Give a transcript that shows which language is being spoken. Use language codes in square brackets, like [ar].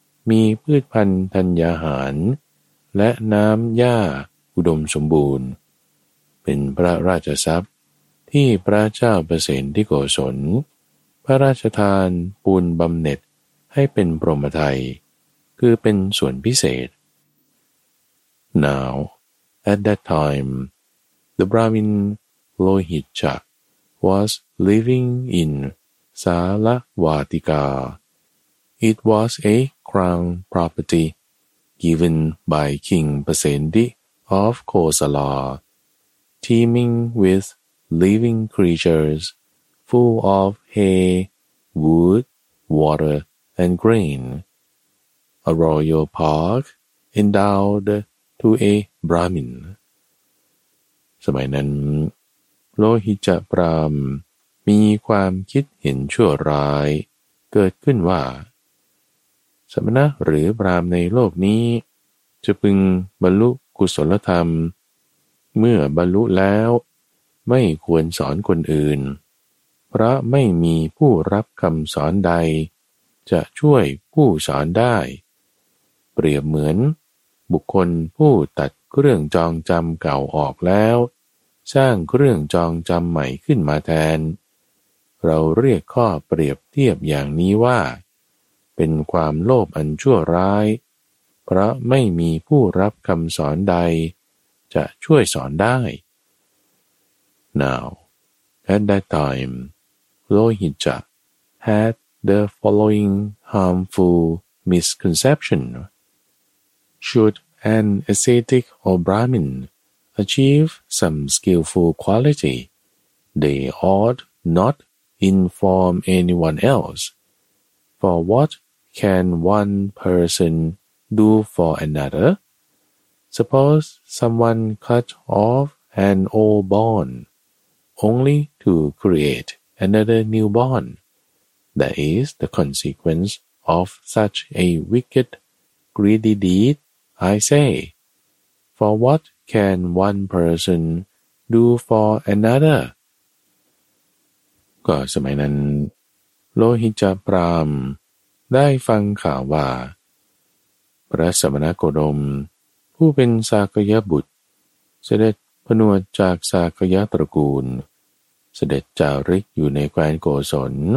[th] มีพืชพันธุ์ธัญญาหารและน้ำหญ้าอุดมสมบูรณ์เป็นพระราชทรัพย์ที่พระเจ้าเปรเสนที่โกศลพระราชทานปูนบำเหน็จให้เป็นพรหมไทยคือเป็นส่วนพิเศษ [en] Now, at that time, the Brahmin Lohicca was living inSalavatika. It was a crown property given by King Pasendi of Kosala, teeming with living creatures full of hay, wood, water, and grain. A royal park endowed to a Brahmin. [th] สมัยนั้น โลหิตจปรามมีความคิดเห็นชั่วร้ายเกิดขึ้นว่าสมณะหรือพราหมณ์ในโลกนี้จะพึงบรรลุกุศลธรรมเมื่อบรรลุแล้วไม่ควรสอนคนอื่นเพราะไม่มีผู้รับคำสอนใดจะช่วยผู้สอนได้ เปรียบเหมือนบุคคลผู้ตัดเครื่องจองจำเก่าออกแล้วสร้างเครื่องจองจำใหม่ขึ้นมาแทน เราเรียกข้อเปรียบเทียบอย่างนี้ว่าเป็นความโลภอันชั่วร้ายเพราะไม่มีผู้รับคำสอนใดจะช่วยสอนได้ [en] Now, at that time, Lohicca had the following harmful misconception. Should an ascetic or Brahmin achieve some skillful quality, they ought notinform anyone else, for what can one person do for another? Suppose someone cut off an old bone, only to create another new bone. That is the consequence of such a wicked, greedy deed, I say. For what can one person do for another? [th] ก็สมัยนั้นโลหิตจปรามได้ฟังข่าวว่าพระสมณโคดมผู้เป็นสากยบุตรเสด็จผนวชจากสากยตระกูลเสด็จจาริกอยู่ในแคว้นโกศล